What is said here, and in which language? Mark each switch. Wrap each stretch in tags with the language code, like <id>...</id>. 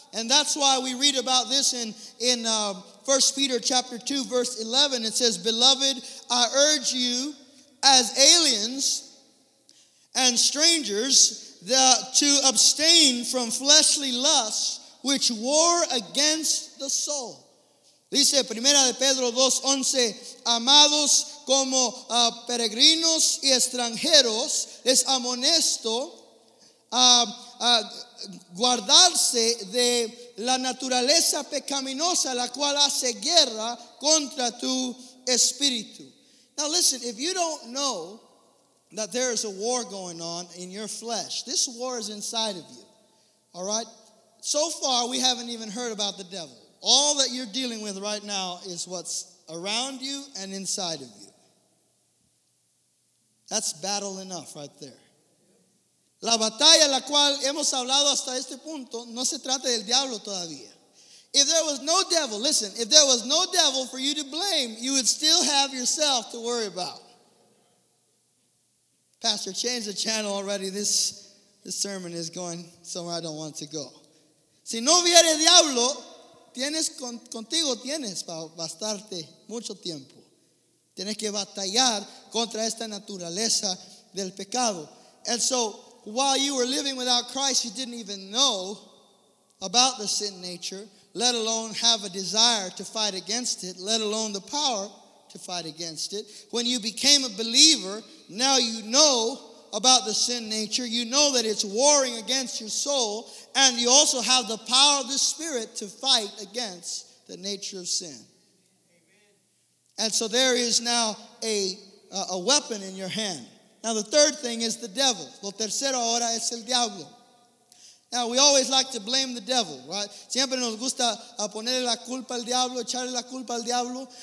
<en>And that's why we read about this in 1 Peter chapter 2 verse 11. It says, beloved, I urge you as aliens and strangers to abstain from fleshly lusts which war against the soul.</en> <es>Dice Primera de Pedro 2:11, amados, como peregrinos y extranjeros, les amonesto a guardarse de la naturaleza pecaminosa, la cual hace guerra contra tu espíritu.</es> <en>Now listen, if you don't know that there is a war going on in your flesh, this war is inside of you. All right? So far, we haven't even heard about the devil. All that you're dealing with right now is what's around you and inside of you. That's battle enough right there.</en> <es>La batalla la cual hemos hablado hasta este punto no se trata del diablo todavía.</es> <en>If there was no devil, listen, if there was no devil for you to blame, you would still have yourself to worry about. Pastor, change the channel already. This sermon is going somewhere I don't want to go.</en> <es>Si no hubiera diablo, tienes contigo, tienes para bastarte mucho tiempo. Tienes que batallar contra esta naturaleza del pecado.</es> <en>And so, while you were living without Christ, you didn't even know about the sin nature, let alone have a desire to fight against it, let alone the power to fight against it. When you became a believer, now you know about the sin nature. You know that it's warring against your soul, and you also have the power of the Spirit to fight against the nature of sin. Amen. And so there is now a weapon in your hand. Now the third thing is the devil.</en> <es>Lo tercero ahora es el diablo.</es> <en>Now we always like to blame the devil, right?</en> <es>Siempre nos gusta ponerle la culpa al diablo, echarle la culpa al diablo.</es>